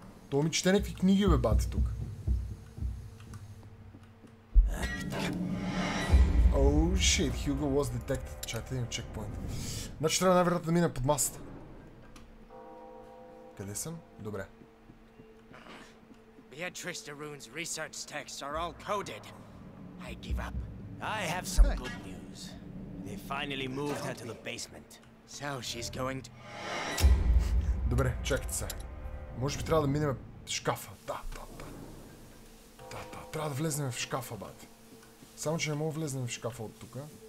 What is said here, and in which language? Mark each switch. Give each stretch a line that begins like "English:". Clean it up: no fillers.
Bulgarian: То ми чете някакви книги, бе, бати, тук.
English: Shit, Hugo was detected.
Bulgarian: Чакайте да имам чекпоинт. Значи трябва най-вероятно да мина под масата. Къде съм? Добре.
English: Beatrice de Rune's research texts are all coded. I give up. I have some good news. They finally moved her to the basement. So she's going to...
Bulgarian: Добре, чакайте се. Може би трябва да минем шкафа. Да. Трябва да влезнем в шкафа, бати. Само че не мога влезнем в шкафа от тука.